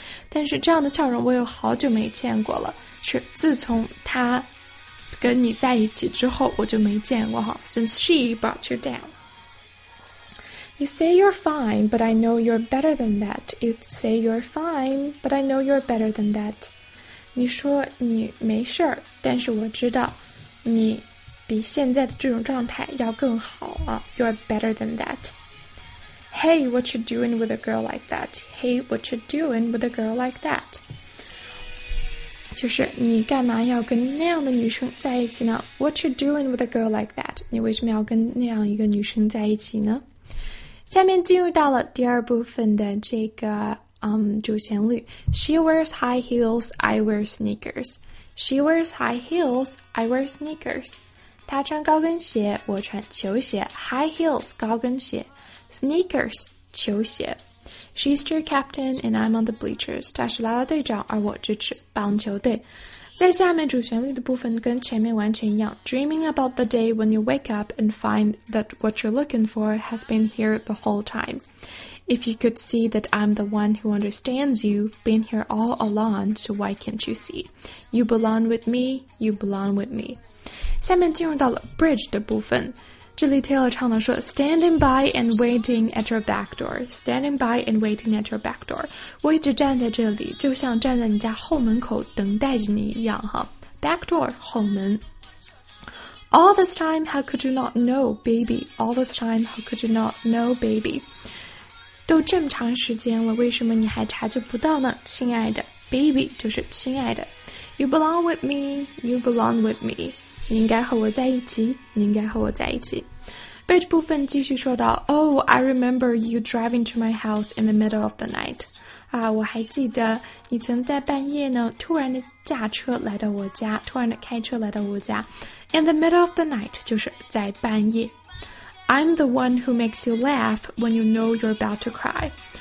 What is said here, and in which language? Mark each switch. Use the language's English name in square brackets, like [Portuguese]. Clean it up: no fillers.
[Chinese] 但是这样的笑容我有好久没见过了。是自从他跟你在一起之后我就没见过哈 [English] since she brought you down. You say you're fine, but I know you're better than that. [Chinese] You 说你没事儿，但是我知道你比现在的这种状态要更好啊。 [English] You're better than that. Hey, what you doing with a girl like that? Hey, what you doing with a girl like that? [Chinese] 就是你干嘛要跟那样的女生在一起呢 [English] What you doing with a girl like that? [Chinese] 你为什么要跟那样一个女生在一起呢下面进入到了第二部分的这个、主旋律 [English] She wears high heels, I wear sneakers She wears high heels, I wear sneakers [Chinese] 她穿高跟鞋我穿球鞋 [English] High heels, 高跟鞋 Sneakers, 球鞋 She's cheer captain and I'm on the bleachers. [Chinese] 她是啦啦队长而我支持棒球队。在下面主旋律的部分跟前面完全一样。 [English] Dreaming about the day when you wake up and find that what you're looking for has been here the whole time. If you could see that I'm the one who understands you, been here all along, so why can't you see? You belong with me, you belong with me. [Chinese] 下面进入到了 bridge 的部分。 [English] 这里 Taylor 唱的说 Standing by and waiting at your back door Standing by and waiting at your back door [Chinese] 我一直站在这里就像站在你家后门口等待着你一样哈 [English] Back door, 后门 All this time, how could you not know, baby? All this time, how could you not know, baby? [Chinese] 都这么长时间了为什么你还察觉不到呢亲爱的 Baby 就是亲爱的 [English] You belong with me, you belong with me [Chinese] 你应该和我在一起，你应该和我在一起。Bridge 部分继续说到 [English] ，Oh, I remember you driving to my house in the middle of the night. [Chinese] 啊，我还记得你曾在半夜呢，突然的驾车来到我家，突然的开车来到我家。 [English] In the middle of the night [Chinese] 就是在半夜。 [English] I'm the one who makes you laugh when you know you're about to cry.